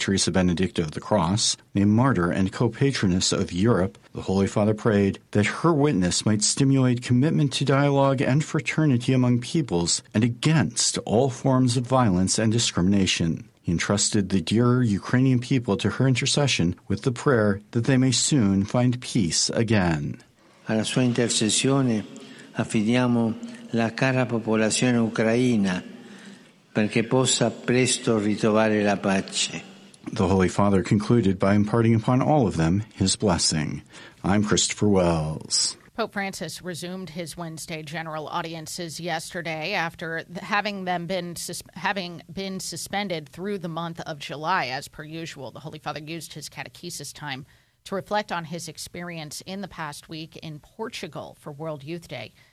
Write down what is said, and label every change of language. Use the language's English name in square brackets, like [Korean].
[English] Teresa Benedicta of the Cross, a martyr and co-patroness of Europe, the Holy Father prayed that her witness might stimulate commitment to dialogue and fraternity among peoples and against all forms of violence and discrimination. He entrusted the dear Ukrainian people to her intercession with the prayer that they may soon find peace again. [Italian] Alla sua intercessione affidiamo la cara popolazione ucraina, perché possa presto ritrovare la pace. [English] The Holy Father concluded by imparting upon all of them his blessing. I'm Christopher Wells. Pope Francis resumed his Wednesday general audiences yesterday after having been suspended through the month of July. As per usual, the Holy Father used his catechesis time to reflect on his experience in the past week in Portugal for World Youth Day.